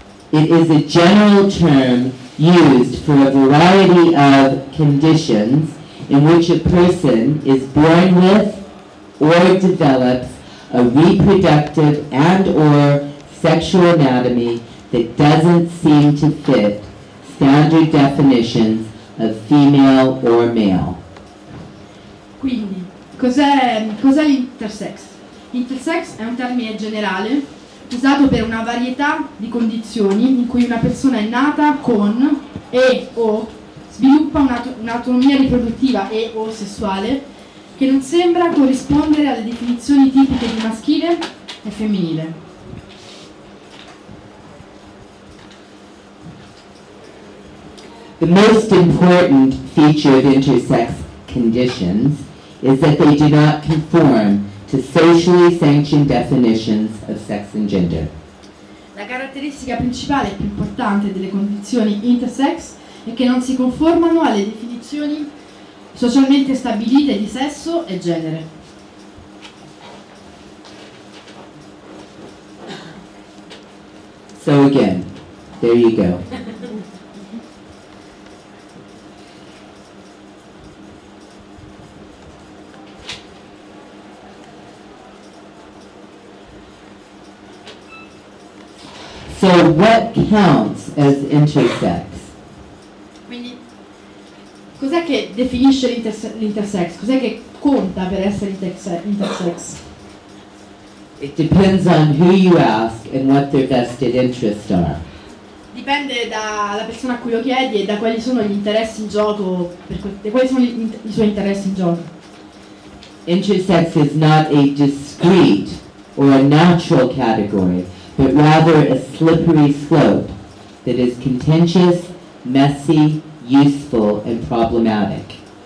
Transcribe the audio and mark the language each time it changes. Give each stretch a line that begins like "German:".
English: It is a general term used for a variety of conditions in which a person is born with or develops a reproductive and or sexual anatomy that doesn't seem to fit standard definitions of female or male.
Italian: Quindi, cos'è intersex? Intersex è un termine generale usato per una varietà di condizioni in cui una persona è nata con e o sviluppa un'autonomia riproduttiva e o sessuale che non sembra corrispondere alle definizioni tipiche di maschile e femminile.
English: The most important feature of intersex conditions is that they do not conform to socially sanctioned definitions of sex and gender.
Italian: La caratteristica principale e più importante delle condizioni intersex è che non si conformano alle definizioni socialmente stabilite di sesso e genere.
English: So again, there you go. So what counts as intersex?
Italian: Quindi, cos'è che definisce l'intersex? Cos'è che conta per essere intersex?
English: It depends on who you ask and what their vested interests are.
Italian: Dipende dalla persona a cui lo chiedi e da quali sono gli interessi in gioco, i suoi interessi in gioco.
English: Intersex is not a discrete or a natural category, but rather a slippery slope that is contentious, messy, useful, and problematic.